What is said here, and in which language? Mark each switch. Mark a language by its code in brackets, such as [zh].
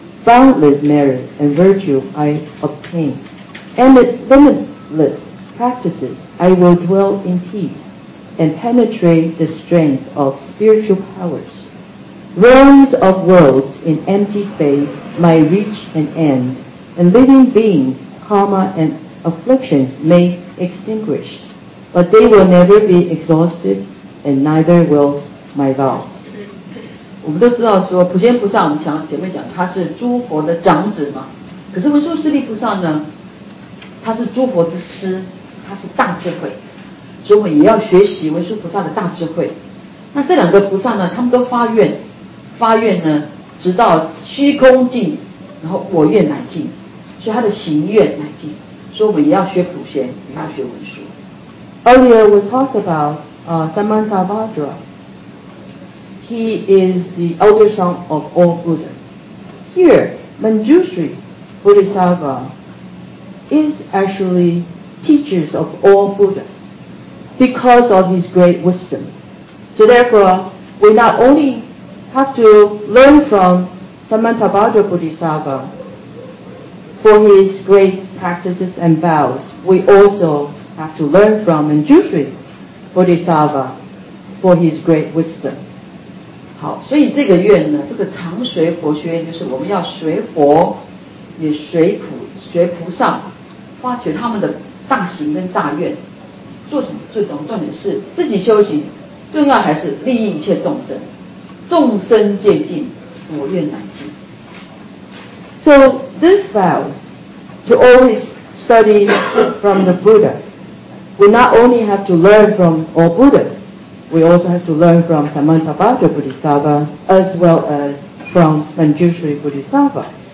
[en] Boundless merit and virtue I obtain. And with limitless practices, I will dwell in peace and penetrate the strength of spiritual powers. Realms of worlds in empty space, my reach and end. And living beings, karma and afflictions may extinguish, but they will never be exhausted, and neither will my vows. [zh] 我们都知道说，普贤菩萨，我们讲前面讲他是诸佛的长子嘛。可是文殊师利菩萨呢，他是诸佛之师，他是大智慧，所以我们也要学习文殊菩萨的大智慧。那这两个菩萨呢，他们都发愿呢，直到虚空尽，然后我愿乃尽。所以他的行愿乃尽，所以我们也要学普贤，也要学文殊。 [en] Earlier we talked about Samantabhadra. He is the elder son of all Buddhas. Here, Manjushri Bodhisattva is actually teachers of all Buddhas because of his great wisdom. So therefore, we not only have to learn from Samantabhadra Bodhisattva. For his great practices and vows, we also have to learn from Manjushri Bodhisattva for his great wisdom. [zh] 好，所以这个愿呢，这个常随佛学愿就是我们要随佛，也随菩萨，发掘他们的大行跟大愿。做什么？最重要重点是自己修行，重要还是利益一切众生。众生皆尽，我愿乃尽。 [en] So this vows to always study from the Buddha. We not only have to learn from all Buddhas, we also have to learn from Samantabhadra Bodhisattva as well as from Manjushri Bodhisattva.